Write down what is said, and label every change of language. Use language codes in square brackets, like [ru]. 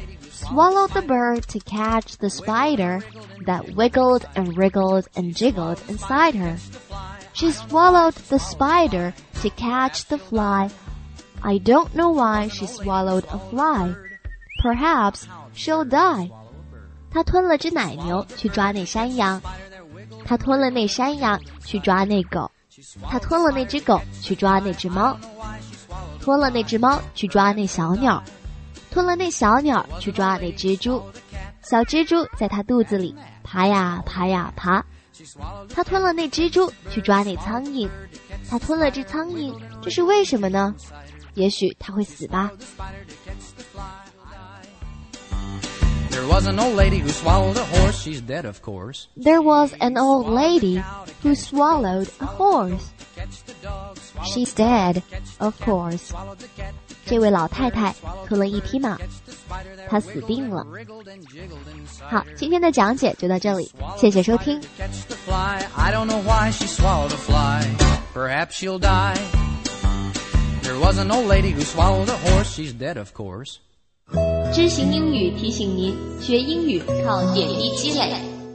[en] Swallowed the bird to catch the spider that wiggled and wriggled and jiggled inside her. She swallowed the spider to catch the fly. I don't know why she swallowed a fly. Perhaps she'll die. [zh] 她吞了只奶牛去抓那山羊。她吞了那山羊去抓那狗。他吞了那只狗去抓那只猫，吞了那只猫去抓那小鸟，吞了那小鸟去抓那蜘蛛，小蜘蛛在他肚子里爬呀爬呀爬，他吞了那蜘蛛去抓那苍蝇，他吞了只苍蝇，这是为什么呢？也许他会死吧。 [en] There was an old lady who swallowed a horse. She's dead, of course. There was an old lady who swallowed a horse. She's dead, of course. [zh] 这位老太太吞了一匹马，她死定了。好，今天的讲解就到这里，谢谢收听。 [en] I don't know why she swallowed a fly. Perhaps she'll die. There was an old lady who swallowed a horse. She's dead, of course. [zh] 知行英语提醒您，学英语靠点滴积累。